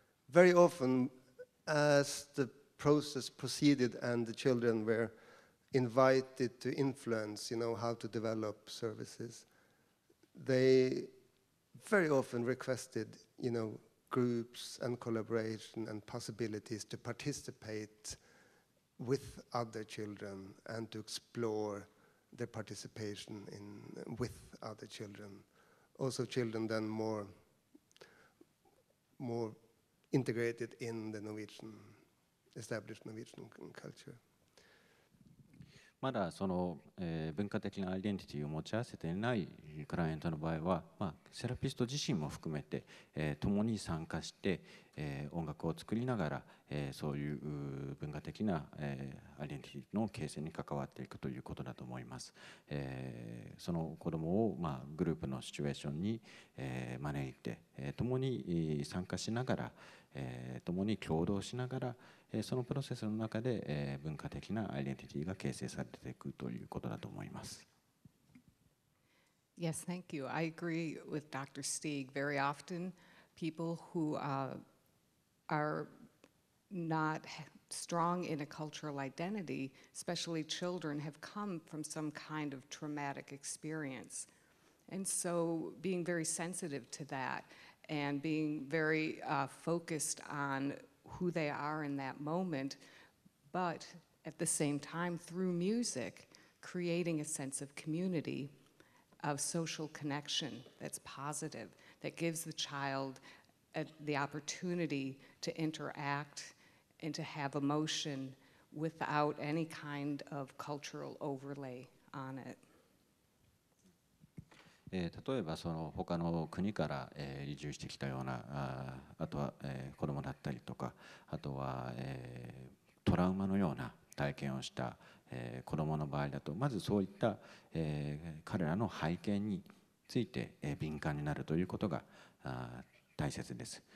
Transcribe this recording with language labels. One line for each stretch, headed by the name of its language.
English: very often as the process proceeded and the children were invited to influence, you know, how to develop services, they very often requested, you know, groups and collaboration and possibilities to participate with other children and to explore their participation in with other children. Also children then more integrated in the Norwegian, established Norwegian culture.
Japanese: まだその、文化的なアイデンティティを持ち合わせていないクライアントの場合は、まあ、セラピスト自身も含めて、共に参加して、音楽を作りながら、そういう文化的な、アイデンティティの形成に関わっていくということだと思います、その子どもを、まあ、グループのシチュエーションに、招いて、共に参加しながら、共に共同しながらそのプロセスの中で文化的なアイデンティティが形成されていくということだと思います。
English: Yes, thank you. I agree with Dr. Stieg. Very often, people who are not strong in a cultural identity, especially children, have come from some kind of traumatic experience. And so, being very sensitive to that and being very focused onwho they are in that moment, but at the same time, through music, creating a sense of community, of social connection that's positive, that gives the child the opportunity to interact and to have emotion without any kind of cultural overlay on it.
Japanese: 例えばその他の国から移住してきたような あとは子供だったりとかあとはトラウマのような体験をした子供の場合だとまずそういった彼らの背景について敏感になるということが大切です。